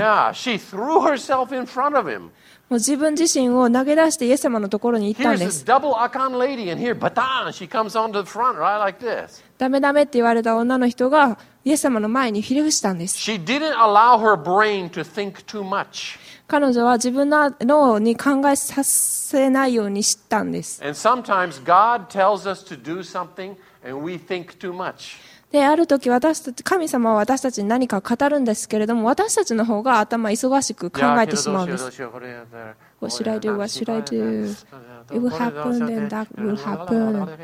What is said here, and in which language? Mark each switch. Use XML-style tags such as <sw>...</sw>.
<en>yeah, she threw herself in front of him.</en> <ja>もう自分自身を投げ出してイエス様のところに行ったんです。</ja> <en>Here's this double icon lady and here, batan, she comes onto the front, right like this.</en> <ja>ダメダメって言われた女の人がイエス様の前にひれ伏したんです。</ja> <en>She didn't allow her brain to think too much.</en> <ja>彼女は自分の脳に考えさせないようにしたんです。</ja> <en>And sometimes God tells us to do something and we think too much.</en> <ja>で、ある時私たち、神様は私たちに何か語るんですけれども、私たちの方が頭忙しく考えてしまうんです。</ja> <en>What should I do? What should I do? It will happen and that will happen.</en>